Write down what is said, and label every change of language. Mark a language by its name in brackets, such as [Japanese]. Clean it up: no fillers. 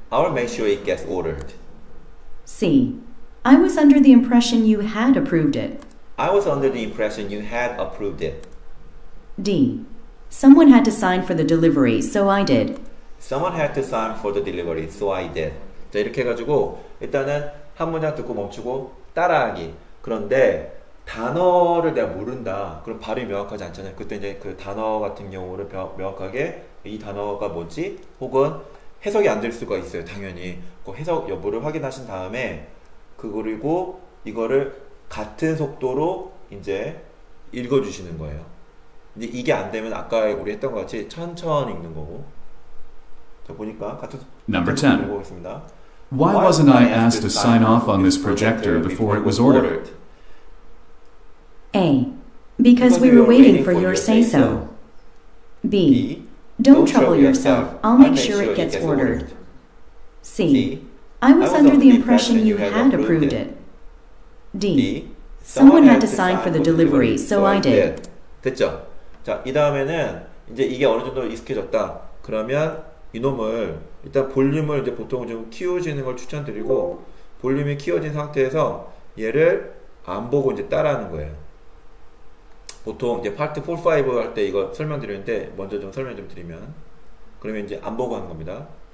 [English] I'll make sure it gets ordered. C. I was under the impression you had approved it. I was under the impression you had approved it. D. Someone had to sign for the delivery, so I did. Someone had to sign for the delivery, so I did. [Korean] 자, 이렇게 해가지고 일단은 한 문장 듣고 멈추고 따라하기. 그런데 단어를 내가 모른다. 그럼 발음이 명확하지 않잖아요. 그때 이제 그 단어 같은 경우를 명확하게 이 단어가 뭐지? 혹은 해석이 안 될 수가 있어요. 당연히. 그 해석 여부를 확인하신 다음에 그리고 이거를 같은 속도로 이제 읽어주시는 거예요. 근데 이게 안 되면 아까 우리 했던 것 같이 천천히 읽는 거고. 자, 보니까 같은 [English] Number 10. [Korean] 읽어보겠습니다. [English] Why wasn't I asked to sign off on this projector before it was ordered? A. Because we were waiting for your say-so. B. Don't trouble yourself. I'll make sure it gets ordered. C. I was under the impression you had approved it. D. Someone had to sign for the delivery, so I did. [Korean] 됐죠? 자, 이 다음에는 이제 이게 어느 정도 익숙해졌다. 그러면 이놈을 일단 볼륨을 이제 보통 좀 키워지는 걸 추천드리고 볼륨이 키워진 상태에서 얘를 안 보고 이제 따라하는 거예요. 보통 이제 파트 4, 5 할 때 이거 설명드리는데 먼저 좀 설명 좀 드리면 그러면 이제 안 보고 하는 겁니다.